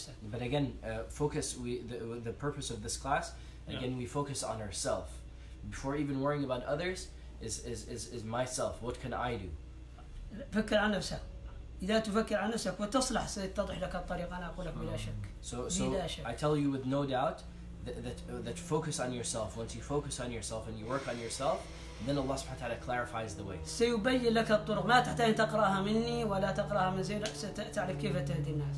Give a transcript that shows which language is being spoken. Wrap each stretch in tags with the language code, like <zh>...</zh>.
<en>But again, focus, the purpose of this class, again, we focus on ourselves. Before even worrying about others, is myself, what can I do?</en> <ar>فكر عن نفسك. إذا تفكر عن نفسك وتصلح ستتضح لك الطريق أنا أقول لك بلا شك.</ar> <en>So I tell you with no doubt that focus on yourself. Once you focus on yourself and you work on yourself, then Allah</en> <ar>سبحانه وتعالى</ar> <en>clarifies the way.</en> <ar>سيبين لك الطرق ما تحتاج تقرأها مني ولا تقرأها من زين ستعرف كيف تهدي الناس.</ar>